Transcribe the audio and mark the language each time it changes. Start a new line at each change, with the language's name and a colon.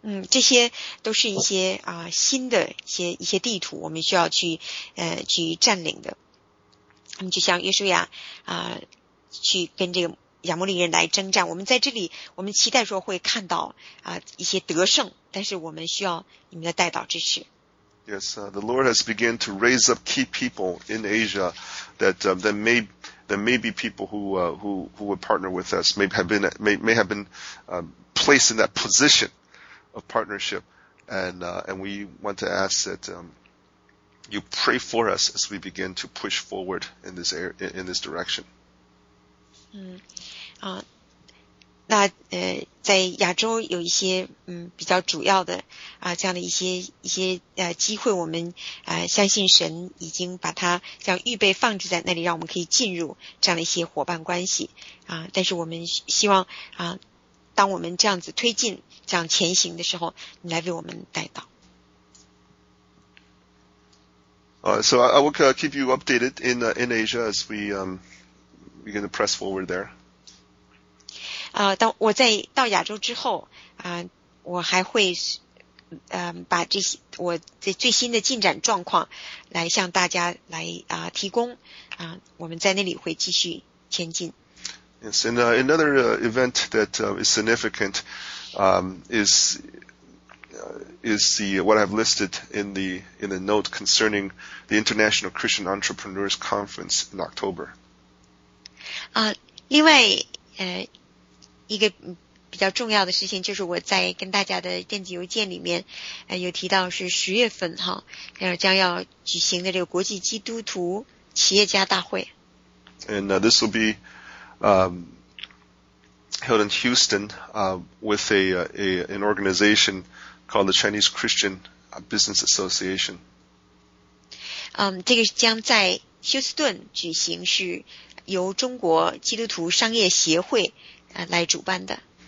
Chinese: 这些都是一些新的一些地图，我们需要去占领的。那么就像约书亚去跟这个亚摩利人来征战，我们在这里，我们期待说会看到一些得胜，但是我们需要你们的带导支持。
English: Yes, the Lord has begun to raise up key people in Asia that may be people who would partner with us, may have been placed in that position. Of partnership, and we want to ask that you pray for us as we begin to push forward in this area, in this direction.
Chinese: 那在亚洲有一些比较主要的这样的一些机会，我们相信神已经把它这样预备放置在那里，让我们可以进入这样的一些伙伴关系但是我们希望当我们这样子推进。这样前行的时候，你来为我们带导。
English: So I will keep you updated in Asia as we begin to press forward there.
Chinese: 当我在到亚洲之后，我还会把这些我这最新的进展状况来向大家来提供。我们在那里会继续前进。
English: Yes, and another event that is significant. What I've listed in the note concerning the International Christian Entrepreneurs Conference in October.
Chinese: 另外一个比较重要的事情就是我在跟大家的电子邮件里面有提到是十月份哈，将要举行的这个国际基督徒企业家大会。
English: And this will be held in Houston with an organization called the Chinese Christian Business Association.
Chinese: 这个将在休斯顿举行，是由中国基督徒商业协会来主办的。